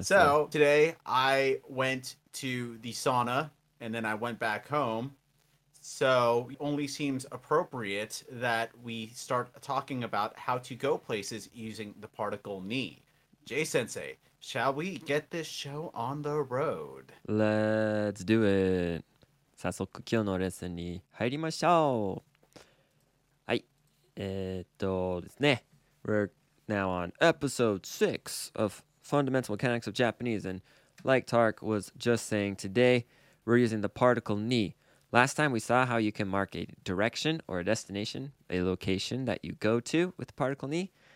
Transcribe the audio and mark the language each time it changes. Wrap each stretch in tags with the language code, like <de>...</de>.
<en>So today I went to the sauna and then I went back home. So it only seems appropriate that we start talking about how to go places using the particle ni. Jay-sensei, shall we get this show on the road? Let's do it.</en> <ja>早速、今日のレッスンに入りましょう。はい。ですね。</ja> <en>We're now on episode 6 of Fundamental Mechanics of Japanese. And like Tark was just saying, today we're using the particle ni. Last time we saw how you can mark a direction or a destination, a location that you go to with the particle ni.</en>